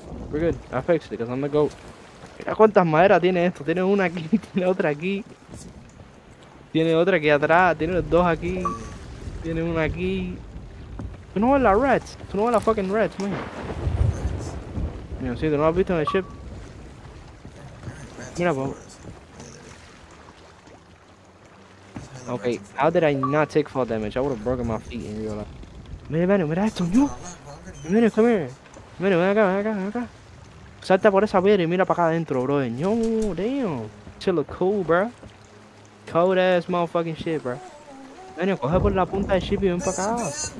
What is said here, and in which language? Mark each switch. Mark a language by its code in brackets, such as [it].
[en] We're good, I fixed it, because I'm the goat. [es] Mira cuántas maderas tiene esto, tiene una aquí, tiene otra aquí. Tiene otra aquí atrás, tiene dos aquí. Tiene una aquí. Tú no ves las rats, tú no ves las [en] fucking rats, man. [es] Mira, si, ¿sí? Tú no has visto en el ship. Mira, po. [en] Ok, how did I not take fall damage? I would have broken my feet in real life. [es] Mira esto, ¿no? Mira, [en] come here. [es] Mira, ven acá. Salta por esa piedra y mira para acá adentro, bro. [en] No, damn. Chill, cool, bro. Cold ass motherfucking shit, bro. [es] Mira, coge por la punta del ship y ven para acá.